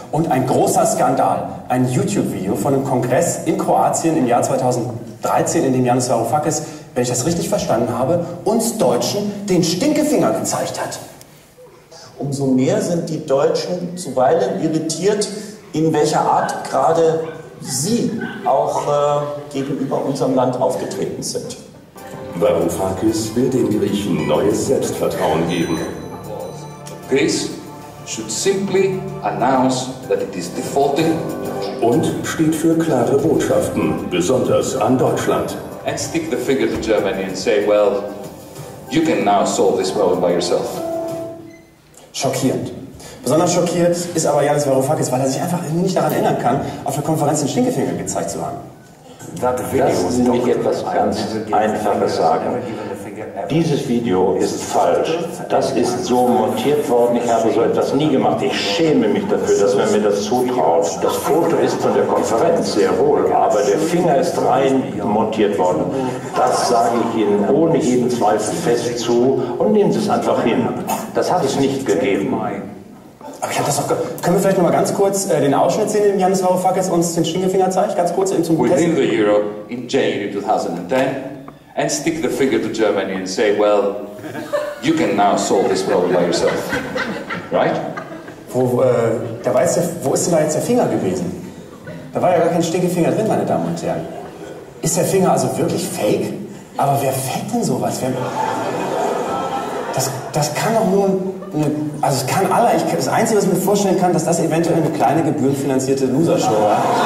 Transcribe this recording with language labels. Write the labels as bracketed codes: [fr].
[de] Und ein großer Skandal, ein YouTube-Video von einem Kongress in Kroatien im Jahr 2013, in dem Yannis Varoufakis, wenn ich das richtig verstanden habe, uns Deutschen den Stinkefinger gezeigt hat. Umso mehr sind die Deutschen zuweilen irritiert, in welcher Art gerade Sie auch gegenüber unserem Land aufgetreten sind. Varoufakis will den Griechen neues Selbstvertrauen geben. [en] Greece should simply announce that it is defaulting. [de] Und steht für klare Botschaften, besonders an Deutschland. [en] And stick the finger to Germany and say, well, you can now solve this problem by yourself. [de] Schockierend. Besonders schockiert ist aber Yannis Varoufakis, weil er sich einfach nicht daran erinnern kann, auf der Konferenz den Stinkefinger gezeigt zu haben. Lassen Sie mich etwas ganz Einfaches sagen. Dieses Video ist falsch. Das ist so montiert worden. Ich habe so etwas nie gemacht. Ich schäme mich dafür, dass man mir das zutraut. Das Foto ist von der Konferenz, sehr wohl, aber der Finger ist rein montiert worden. Das sage ich Ihnen ohne jeden Zweifel fest zu und nehmen Sie es einfach hin. Das hat es nicht gegeben. Aber ich habe das auch können wir vielleicht noch mal ganz kurz den Ausschnitt sehen, den Yannis Varoufakis uns den Stinkefinger zeigt? Ganz kurz zum Testen. [en] Within the Euro in January 2010 and stick the finger to Germany and say, well, you can now solve this problem by yourself. Right? [de] Wo ist denn da jetzt der Finger gewesen? Da war ja gar kein Stinkefinger drin, meine Damen und Herren. Ist der Finger also wirklich fake? Aber wer fällt denn sowas? Das kann doch nur... Also es kann alle, das Einzige, was ich mir vorstellen kann, dass das eventuell eine kleine gebührenfinanzierte Losershow war.